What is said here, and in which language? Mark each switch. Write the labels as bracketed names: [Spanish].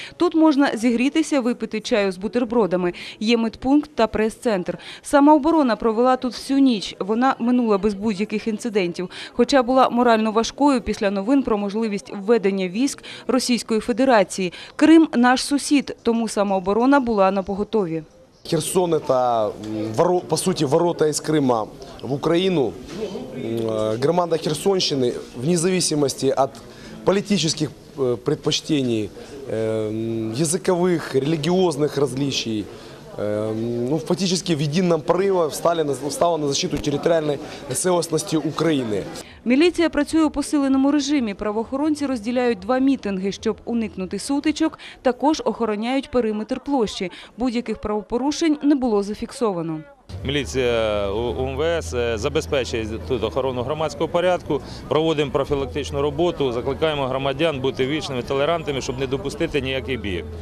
[Ukrainian] Тут можна зігрітися, випити чаю з бутербродами. Є медпункт та прес-центр. Самооборона провела тут всю ніч. Вона минула без будь-яких інцидентів. Хоча була морально важкою після новин про можливість введення військ Російської Федерації. Крим – наш сусід, тому самооборона була напоготові. [Russian] Херсон – это, по сути, ворота из Крыма в Украину. Громада Херсонщины, вне зависимости от политических предпочтений, языковых, религиозных различий, ну, фактически в едином порыве встала на защиту территориальной целостности Украины. [Ukrainian] Міліція працює у посиленому режимі. Правоохоронці розділяють два мітинги, щоб уникнути сутичок. Також охороняють периметр площі. Будь-яких правопорушень не було зафіксовано. Міліція УМВС забезпечує тут охорону громадського порядку, проводимо профілактичну роботу, закликаємо громадян бути вічними, толерантними, щоб не допустити ніяких бійок.